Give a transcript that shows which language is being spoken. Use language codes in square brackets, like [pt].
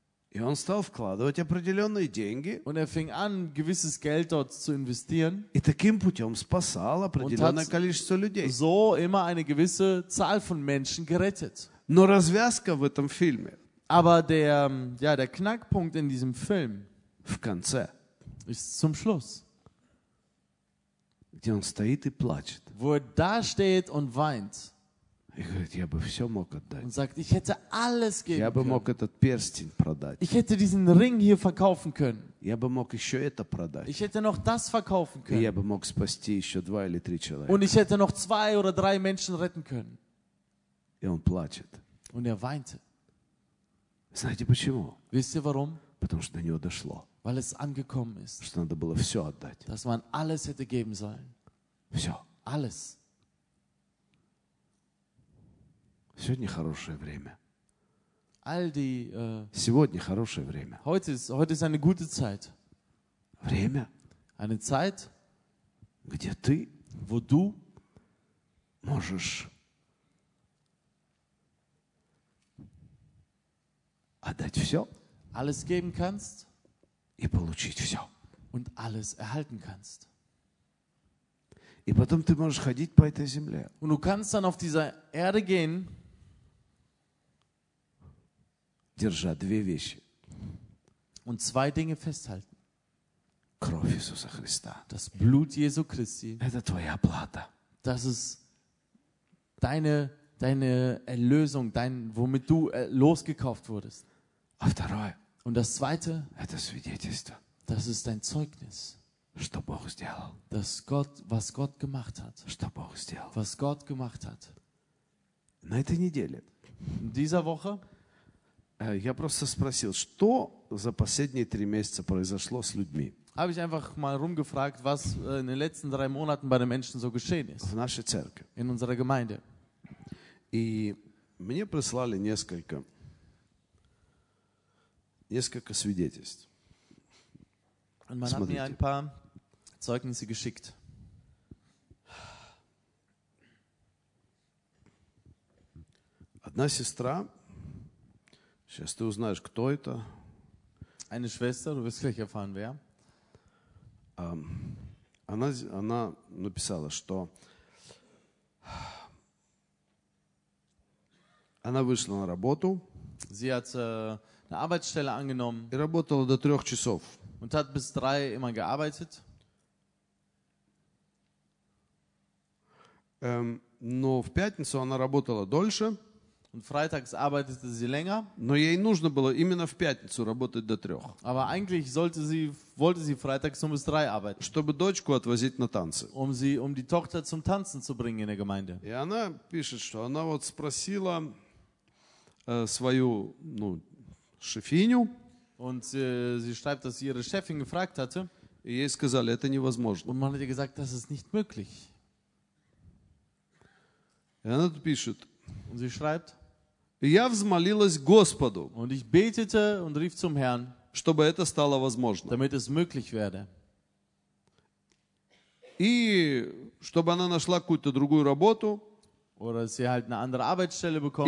[ru] И он стал вкладывать определенные деньги. [de] Und er fing an, gewisses Geld dort zu investieren. [ru] И таким путем спасал определенное количество людей. [de] So immer eine gewisse Zahl von Menschen gerettet. [ru] Но развязка в этом фильме. [de] Aber der, ja, der Knackpunkt in diesem Film [ru] в конце, [de] ist zum Schluss. [ru] Где он стоит и плачет. [de] Wo er da steht und weint. [ru] И говорит, я бы все мог отдать. [de] Und sagt, ich hätte alles geben [ru] я бы [de] können. [ru] Мог этот перстень продать. [de] Ich hätte diesen Ring hier verkaufen können. [ru] Я бы мог еще это продать. [de] Ich hätte noch das verkaufen können. [ru] И я бы мог спасти еще два или три человека. [de] Und ich hätte noch zwei oder drei Menschen retten können. [ru] И он плачет. [de] Und er weinte. [ru] Знаете почему? [de] Wisst ihr warum? [ru] Потому что до него дошло. [de] Weil es angekommen ist. [ru] Что надо было все отдать. [de] Dass man alles hätte geben sollen. [ru] Все. [de] Alles. [ru] Сегодня хорошее время. [de] All die, [ru] сегодня хорошее время. [de] Heute ist eine gute Zeit. [ru] Время. [de] Eine Zeit, [ru] где ты, [de] wo du [ru] можешь отдать все. [de] Alles geben kannst. [ru] И получить все. [de] Und alles erhalten kannst. [ru] И потом ты можешь ходить по этой земле. [de] Und du kannst dann auf dieser Erde gehen. [ru] Держа две вещи. [de] Und zwei Dinge festhalten. [ru] Кровь Иисуса Христа. [de] Das Blut Jesu Christi. [ru] Это твоя плата. [de] Das ist deine Erlösung, womit du losgekauft wurdest. [ru] А второе. [de] Und das zweite. [ru] Это свидетельство. [de] Das ist dein Zeugnis. [ru] Что Бог сделал. [de] Das Gott, was Gott gemacht hat. [ru] Что Бог сделал. [de] Was Gott gemacht hat. [ru] На этой неделе. [de] In dieser Woche. [ru] Я просто спросил, что за последние три месяца произошло с людьми. [de] Habe ich einfach mal rumgefragt, was in den letzten drei Monaten bei den Menschen so geschehen ist. [ru] В нашей церкви. [de] In unserer Gemeinde. [ru] И мне прислали несколько свидетельств. [de] Und man [ru] Смотрите. [de] Hat mir ein paar Zeugnisse geschickt. [ru] Одна сестра. Сейчас ты узнаешь, кто это. [de] Eine Schwester, du wirst gleich erfahren, wer. [ru] Она написала, что она вышла на работу. [de] Sie hat eine Arbeitsstelle angenommen. [ru] И работала до трех часов. [de] Und hat bis drei immer gearbeitet. [ru] Но в пятницу она работала дольше. [de] Und freitags arbeitete sie länger. [ru] Но ей нужно было именно в пятницу работать до трех. [de] Aber eigentlich wollte sie freitags um bis drei arbeiten. [ru] Чтобы дочку отвозить на танцы. [de] Um die Tochter zum Tanzen zu bringen in der Gemeinde. [ru] И она пишет, что она вот спросила свою, ну, шефиню. [de] Und sie schreibt, dass sie ihre Chefin gefragt hatte. [ru] И ей сказали, это невозможно. [de] Und man hat ihr gesagt, das ist nicht möglich. [ru] И она тут пишет. [de] Und sie schreibt, [ru] я взмолилась Господу, [de] und ich betete und rief zum Herrn, [ru] чтобы это стало возможно. [de] Damit es möglich werde. [ru] И чтобы она нашла какую-то другую работу, [de] oder sie halt eine andere Arbeitsstelle bekommt,